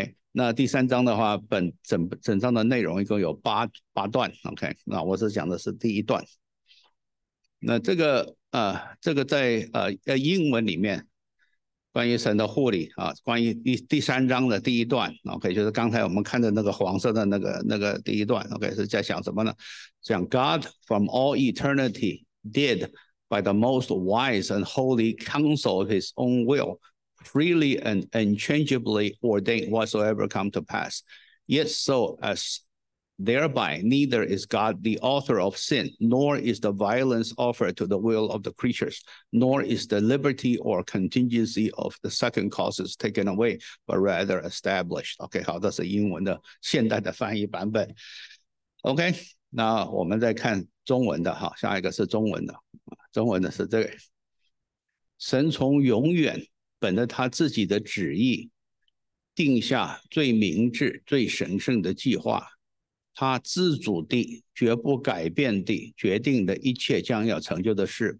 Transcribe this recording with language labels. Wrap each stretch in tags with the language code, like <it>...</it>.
<zh>那第三章的话，整章的内容一共有八段 ，OK， 那我是讲的是第一段。那这个在英文里面关于神的护理关于第三章的第一段 ，OK， 就是刚才我们看的那个黄色的那个第一段 ，OK， 是在讲什么呢？</zh> <en>讲 God from all eternity did by the most wise and holy counsel of His own will freely and unchangeably ordain whatsoever come to pass, yet so as thereby neither is God the author of sin, nor is the violence offered to the will of the creatures, nor is the liberty or contingency of the second causes taken away, but rather established.</en> <zh>OK， 好，这是英文的现代的翻译版本。OK， 那我们再看中文的，下一个是中文的。中文的是这个，神从永远本着他自己的旨意，定下最明智最神圣的计划，他自主地绝不改变地决定的一切将要成就的事。</zh>